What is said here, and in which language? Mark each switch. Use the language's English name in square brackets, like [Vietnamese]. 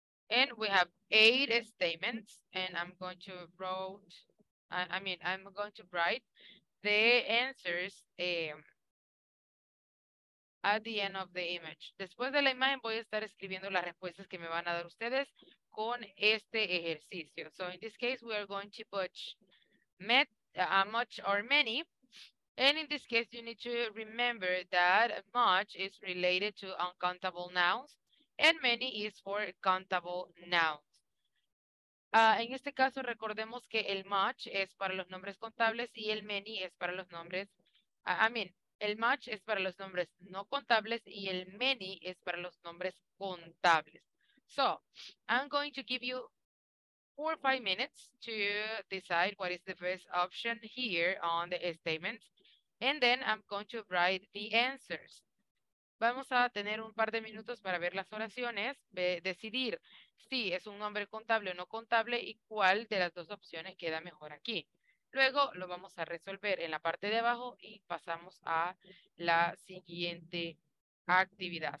[English] And we have 8 statements, and I'm going to write the answers at the end of the image. [Spanish] Después de la imagen voy a estar escribiendo las respuestas que me van a dar ustedes con este ejercicio. [English] So in this case, we are going to put much or many. And in this case, you need to remember that much is related to uncountable nouns and many is for countable nouns. [Spanish] En este caso, recordemos que el much es para los nombres contables y el many es para los nombres, el much es para los nombres no contables y el many es para los nombres contables. [English] So, I'm going to give you 4 or 5 minutes to decide what is the best option here on the statements. And then I'm going to write the answers. [Spanish] Vamos a tener un par de minutos para ver las oraciones, decidir si es un nombre contable o no contable y cuál de las dos opciones queda mejor aquí. Luego lo vamos a resolver en la parte de abajo y pasamos a la siguiente actividad.